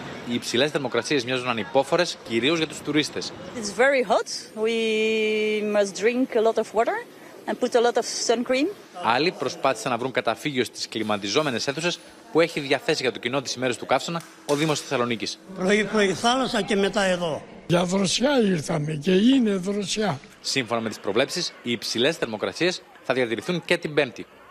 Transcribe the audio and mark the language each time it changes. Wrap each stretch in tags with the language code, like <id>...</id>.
<el>Οι υψηλές θερμοκρασίες μοιάζουν ανυπόφορες, κυρίως για τους τουρίστες.</el> <en>It's very hot. We must drink a lot of water and put a lot of sun cream.</en> <el>Άλλοι προσπάθησαν να βρουν καταφύγιο στις κλιματιζόμενες αίθουσες που έχει διαθέσει για το κοινό τις ημέρες του καύσωνα ο Δήμος Θεσσαλονίκης. Πρωί-πρωί θάλασσα και μετά εδώ. Για δροσιά ήρθαμε και είναι δροσιά. Σύμφωνα με τις προβλέψεις, οι υψηλές θερμοκρασίες θα διατηρηθούν και την Πέμπτη.</el>